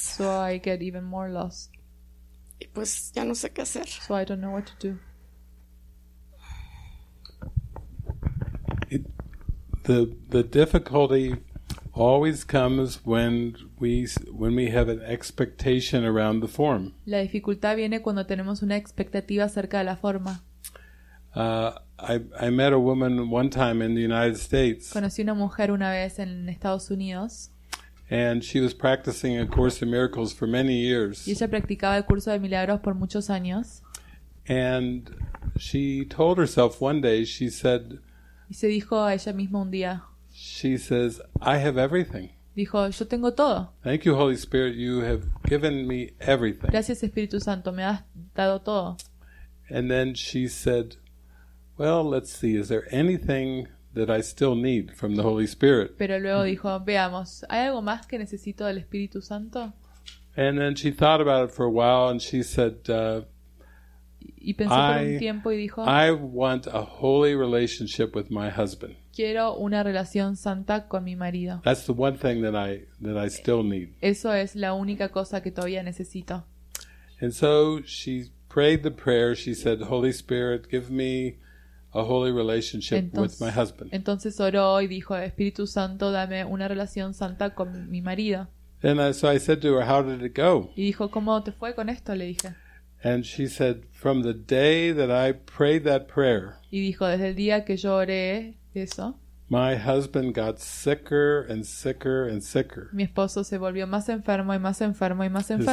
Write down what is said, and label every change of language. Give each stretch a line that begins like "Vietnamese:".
English: So I get even more lost.
Spanish: Y pues ya no sé qué hacer.
English: So I don't know what to do. The difficulty always comes when we have an expectation around the form.
Spanish: La dificultad viene cuando tenemos una expectativa acerca de la forma.
English: I met a woman one time in the United States.
Spanish: Conocí una mujer una vez en Estados Unidos.
English: And she was practicing a Course in Miracles for many years.
Spanish: Y ella practicaba el curso de milagros por muchos años.
English: And she told herself one day, she said,
Spanish: y se dijo a ella misma un día.
English: She says, I have everything.
Spanish: Dijo, yo tengo todo.
English: Thank you, Holy Spirit, you have given me everything.
Spanish: Gracias, Espíritu Santo, me has dado todo.
English: And then she said, well, let's see, is there anything that I still need from the Holy Spirit?
Spanish: Pero luego dijo, veamos, ¿hay algo más que necesito del Espíritu Santo?
English: And then she thought about it for a while and she said,
Spanish: y pensó por un tiempo y dijo,
English: I want a holy relationship with my husband.
Spanish: Quiero una relación santa con mi marido.
English: That's the one thing that I still need.
Spanish: Eso es la única cosa que todavía necesito.
English: And so she prayed the prayer. She said, Holy Spirit, give me a holy relationship with my husband.
Spanish: Entonces oró y dijo, Espíritu Santo, dame una relación santa con mi marido.
English: And so I said to her, how did it go?
Spanish: Y dijo, ¿cómo te fue con esto? Le dije.
English: And she said, from the day that I prayed that prayer,
Spanish: y dijo, desde el día que yo oré eso,
English: my husband got sicker and sicker and sicker.
Spanish: Mi esposo se volvió más enfermo y más enfermo y más enfermo.